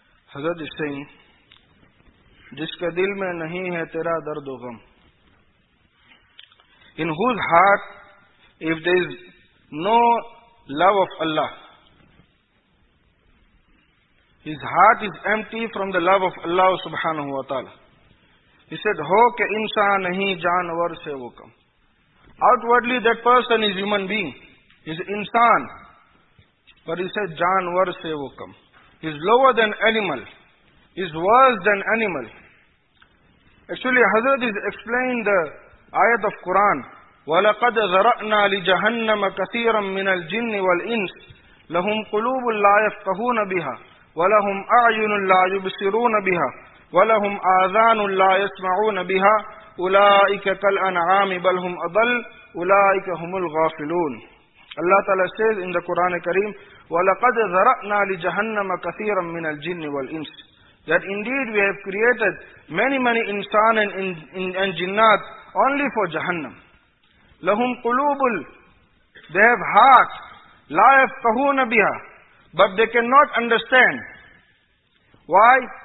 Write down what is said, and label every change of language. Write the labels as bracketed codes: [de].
[hi] हजरत सिंह, जिसके दिल में नहीं है तेरा दर्द गम, [en] In whose heart if there is no love of Allah, his heart is empty from the love of Allah सुबहानहु व तआला। He said, [hi] हो के इंसान नहीं जानवर से वो कम। [en] Outwardly that person is human being, is इंसान, but he said [hi] जानवर से वो कम, [en] is lower than animal, is worse than animal. Actually Hazrat is explained the ayat of Quran, [ar] وَلَقَدْ ذَرَأْنَا لِجَهَنَّمَ كَثِيرًا مِنَ الْجِنِّ وَالْإِنسِ لَهُمْ قُلُوبٌ لَا يَفْقَهُونَ بِهَا وَلَهُمْ أَعْيُنٌ لَا يُبْصِرُونَ بِهَا وَلَهُمْ آذَانٌ لَا يَسْمَعُونَ بِهَا أُولَٰئِكَ كَالْأَنْعَامِ بَلْ هُمْ أَضَلُّ أُولَٰئِكَ هُمُ الْغَافِلُونَ. [en] اللہ تعالیٰ says in the Quran Kareem, [ar] وَلَقَدْ ذَرَأْنَا لِجَهَنَّمَ كَثِيرًا مِنَ الْجِنِّ وَالْإِنسِ, [en] that indeed we have created many insan and jinnat only for Jahannam. [ar] لَهُمْ قُلُوبٌ, [en] they have hearts, [ar] لَا يَفْقَهُونَ بِهَا, [en] but they cannot understand. Why?